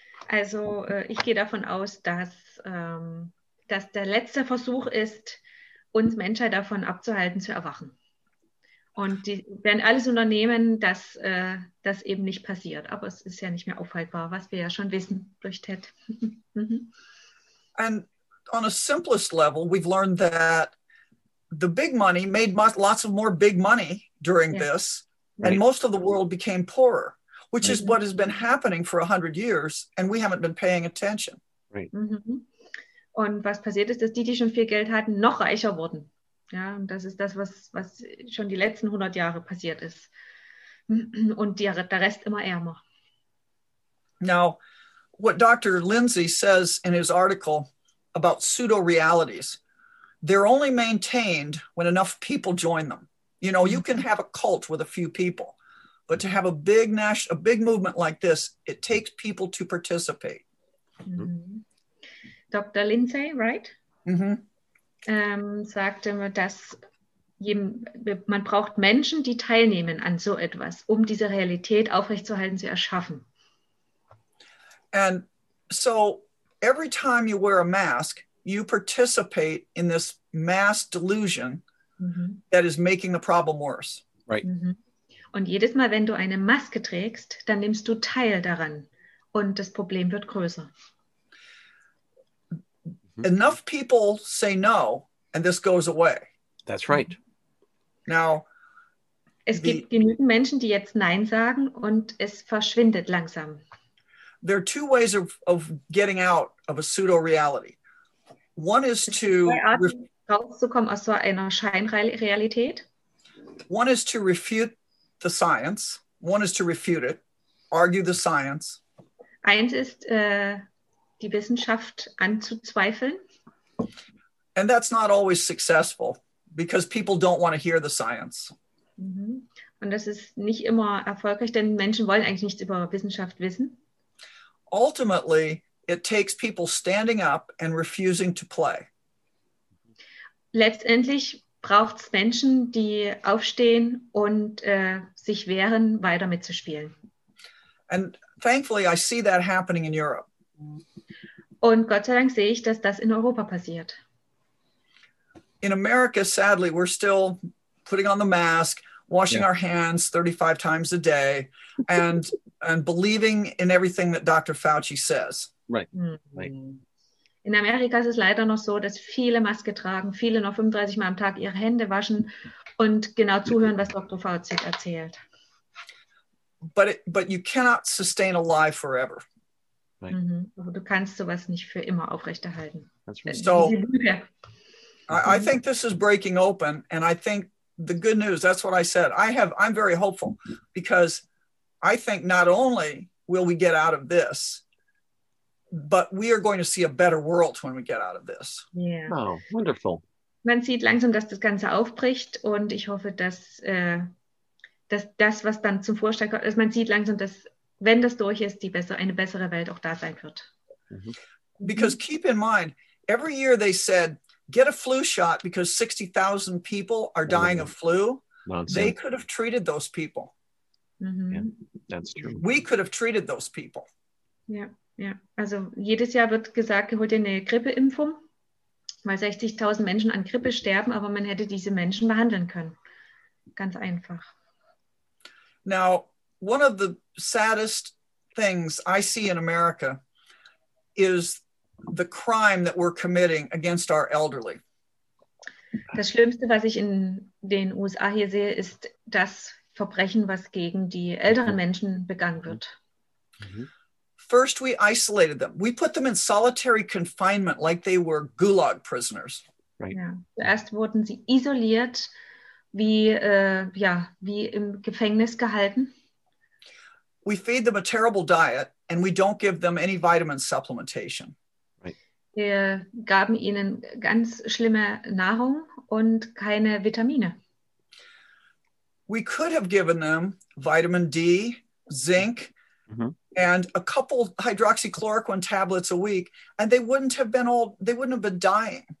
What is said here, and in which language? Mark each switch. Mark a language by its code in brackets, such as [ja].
[de] Also, ich gehe davon aus, dass der letzte Versuch ist, uns Menschheit davon abzuhalten, zu erwachen. Und die werden alles unternehmen, dass das eben nicht passiert. Aber es ist ja nicht mehr aufhaltbar, was wir ja schon wissen durch TED. [en] And on a simplest level, we've learned that the big money made lots of more big money during this, right. And most of the world became poorer, which is what has been happening for 100 years, and we haven't been paying attention. Right. Mm-hmm. [de] Und was passiert ist, dass die schon viel Geld hatten, noch reicher wurden. Ja, und das ist das, was schon die letzten 100 Jahre passiert ist. Und der Rest immer ärmer. [en] Now, what Dr. Lindsay says in his article about pseudo-realities, they're only maintained when enough people join them. You know, you can have a cult with a few people, but to have a big a big movement like this, it takes people to participate. Mm-hmm. Dr. Lindsay, right? Mm-hmm. [de] Sagte, dass man braucht Menschen, die teilnehmen an so etwas, um diese Realität aufrechtzuerhalten, zu erschaffen. [en] And so every time you wear a mask, you participate in this mass delusion that is making the problem worse. Right. Mm-hmm. [de] Und jedes Mal, wenn du eine Maske trägst, dann nimmst du teil daran und das Problem wird größer. [en] Enough people say no, and this goes away. That's right. Now, [de] es gibt genügend Menschen, die jetzt Nein sagen, und es verschwindet langsam. [en] There are two ways of getting out of a pseudo-reality. One is to [de] rauszukommen aus so einer Scheinrealität. [en] One is to refute the science. One is to refute it. Argue the science. [de] Eins ist die Wissenschaft anzuzweifeln. [en] And that's not always successful because people don't want to hear the science. Mm-hmm. [de] Und das ist nicht immer erfolgreich, denn Menschen wollen eigentlich nichts über Wissenschaft wissen. [en] Ultimately, it takes people standing up and refusing to play. [de] Letztendlich braucht es Menschen, die aufstehen und sich wehren, weiter mitzuspielen. [en] And thankfully, I see that happening in Europe. [de] Und Gott sei Dank sehe ich, dass das in Europa passiert. [en] In America, sadly, we're still putting on the mask, washing our hands 35 times a day, and and believing in everything that Dr. Fauci says. Right. Mm-hmm. Right. [de] In Amerika ist es leider noch so, dass viele Maske tragen, viele noch 35 Mal am Tag ihre Hände waschen und genau zuhören, was Dr. Fauci erzählt. [en] But you cannot sustain a lie forever. Right. [de] Mm-hmm. Du kannst sowas nicht für immer aufrechterhalten. [en] That's right. I think this is breaking open, and I think the good news, that's what I said. I'm very hopeful, because I think not only will we get out of this, but we are going to see a better world when we get out of this. Yeah. Oh, wonderful. [de] Man sieht langsam, dass das Ganze aufbricht, und ich hoffe, dass dass was dann zum Vorschein kommt, dass man sieht langsam, dass wenn das durch ist, eine bessere Welt auch da sein wird. Mm-hmm. [en] Because keep in mind, every year they said, get a flu shot because 60,000 people are dying of flu. Nonsense. They could have treated those people. Mm-hmm. Yeah, that's true. We could have treated those people. Yeah. [de] Also jedes Jahr wird gesagt, hol dir eine Grippeimpfung, weil 60,000 Menschen an Grippe sterben, aber man hätte diese Menschen behandeln können. Ganz einfach. [en] Now, one of the saddest things I see in America is the crime that we're committing against our elderly. [de] Das Schlimmste, was ich in den USA hier sehe, ist das Verbrechen, was gegen die älteren Menschen begangen wird. [en] First, we isolated them. We put them in solitary confinement like they were gulag prisoners. Right. [de] Ja. Zuerst wurden sie isoliert, wie im Gefängnis gehalten. [en] We feed them a terrible diet and we don't give them any vitamin supplementation. [de] Wir gaben ihnen ganz schlimme Nahrung und keine Vitamine. [en] We could have given them vitamin D, zinc, and a couple hydroxychloroquine tablets a week, and they wouldn't have been dying.